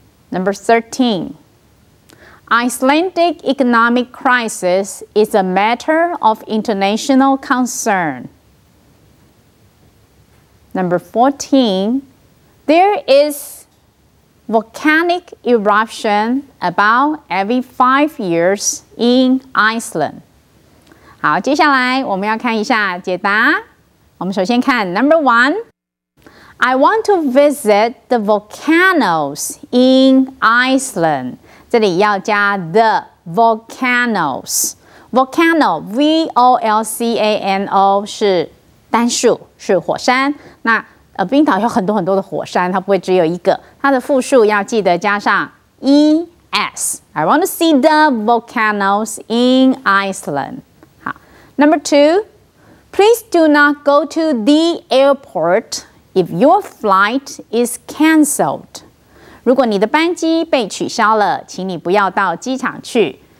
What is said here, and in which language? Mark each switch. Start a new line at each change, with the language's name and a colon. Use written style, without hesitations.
English: Number 13, Icelandic economic crisis is a matter of international concern. Number 14, there is volcanic eruption about every 5 years in Iceland.
Chinese: 好，接下来我们要看一下解答。我们首先看
English: Number 1, I want to visit the volcanoes in Iceland.
Chinese: 这里要加
English: the volcanoes.
Chinese: Volcano, V-O-L-C-A-N-O 是单数，是火山。那冰岛有很多很多的火山，它不会只有一个。它的复数要记得加上 E-S.
English: I want to see the volcanoes in Iceland. 好 Number 2,Please do not go to the airport if your flight is cancelled.
Chinese: 如果你的班机被取消了，请你不要到机场去。